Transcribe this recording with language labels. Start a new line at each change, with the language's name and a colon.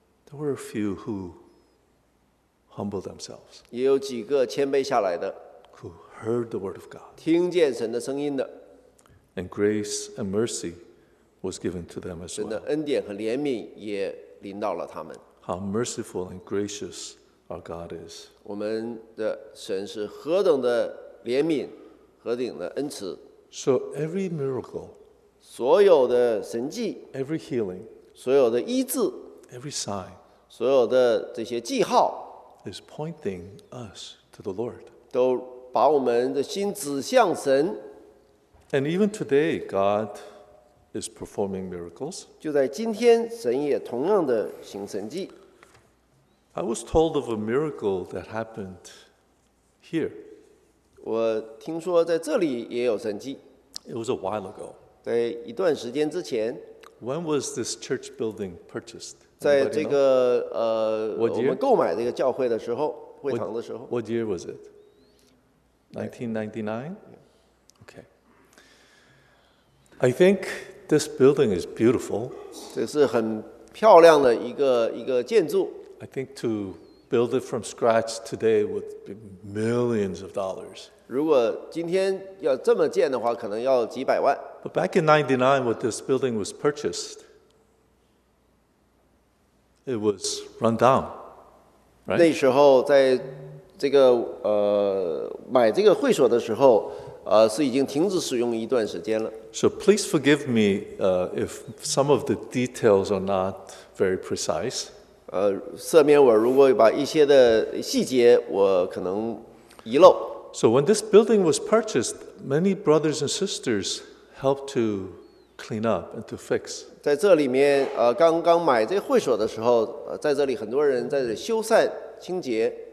English: There were a few who humbled themselves.
Chinese: 也有几个谦卑下来的,
English: who heard the word of God.
Chinese: 听见神的声音的,
English: and grace and mercy was given to them as well.
Chinese: 神的恩典和怜悯也临到了他们。
English: How merciful and gracious our God is.
Chinese: 我们的神是何等的怜悯,何等的恩慈。
English: So every miracle,
Chinese: 所有的神迹,
English: every healing,
Chinese: 所有的医治,
English: every sign,
Chinese: 所有的这些记号
English: is pointing us to the Lord.
Chinese: 都把我们的心指向神。
English: And even today, God is performing miracles.
Chinese: 就在今天，神也同样的行神迹。
English: I was told of a miracle that happened here.
Chinese: 我听说在这里也有神迹。
English: It was a while ago.
Chinese: 在一段时间之前。
English: When was this church building purchased?
Chinese: 在这个我们购买这个教会的时候，会堂的时候。
English: What year was it? 1999? Okay. I think this building is beautiful.
Chinese: 这是很漂亮的一个建筑。
English: I think to build it from scratch today would be millions of dollars.
Chinese: 如果今天要这么建的话，可能要几百万。
English: But back in 1999, when this building was purchased, it was run down. Right?
Chinese: 那时候在这个买这个会所的时候，是已经停止使用一段时间了。
English: So please forgive me if some of the details are not very precise.
Chinese: 赦免我如果把一些的细节我可能遗漏。
English: So when this building was purchased, many brothers and sisters helped to clean up and to fix.
Chinese: 在这里面，刚刚买这会所的时候，在这里很多人在修缮清洁，